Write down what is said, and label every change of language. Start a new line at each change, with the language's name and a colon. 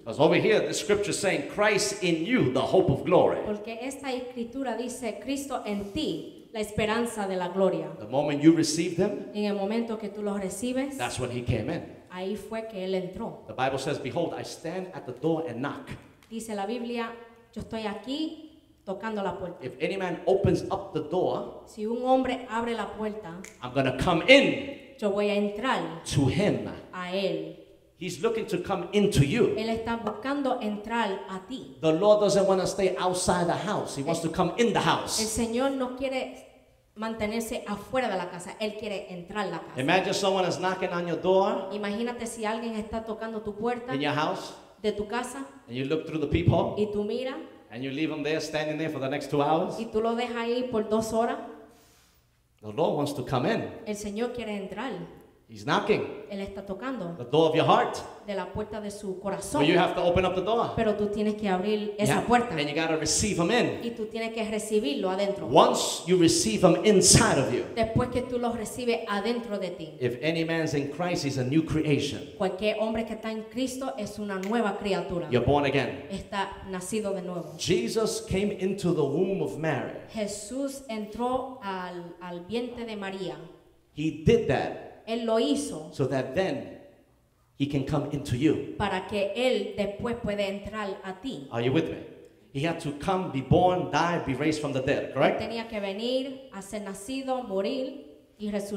English: Because over here, the scripture is saying, Christ in you, the hope of glory.
Spanish: Porque esta escritura dice, Cristo en ti, la esperanza de la gloria.
English: The moment you received him,
Spanish: en el momento que tú lo recibes,
English: that's when he came in.
Spanish: Ahí fue que él entró.
English: The Bible says, behold, I stand at the door and knock.
Spanish: Dice la Biblia, yo estoy aquí tocando la puerta.
English: If any man opens up the door,
Spanish: si un hombre abre la puerta,
English: I'm going to come in.
Spanish: Yo voy a entrar
English: to him.
Spanish: A él.
English: He's looking to come into you.
Spanish: Él está buscando entrar a ti.
English: The Lord doesn't want to stay outside the house. He wants to come in the house.
Spanish: El Señor no quiere mantenerse afuera de la casa. Él quiere entrar a la casa.
English: Imagine someone is knocking on your door.
Spanish: Imagínate si alguien está tocando tu puerta.
English: In your house.
Spanish: De tu casa.
English: And you look through the peephole.
Spanish: Y tú mira.
English: And you leave him there standing there for the next 2 hours.
Spanish: Y tú lo dejas ahí por dos horas.
English: The Lord wants to come in.
Spanish: El Señor quiere entrar.
English: He's knocking.
Spanish: Él está tocando.
English: The door of your heart.
Spanish: De la puerta de su corazón.
English: But you have to open up the door.
Spanish: Pero tú tienes que abrir esa puerta.
English: And you got to receive him in.
Spanish: Y tú tienes que recibirlo adentro.
English: Once you receive him inside of you.
Spanish: Después que tú lo recibes adentro de ti.
English: If any man's in Christ, he's a new creation.
Spanish: Cualquier hombre que está en Cristo es una nueva criatura.
English: You're born again.
Spanish: Está nacido de nuevo.
English: Jesus came into the womb of Mary.
Spanish: Jesús entró al vientre de María.
English: He did that.
Spanish: Él lo hizo.
English: So that then he can come into you.
Spanish: Para que él después puede entrar a ti.
English: Are you with me? He had to come, be born, die, be raised from the dead, correct?
Spanish: Tenía que venir a ser nacido, morir y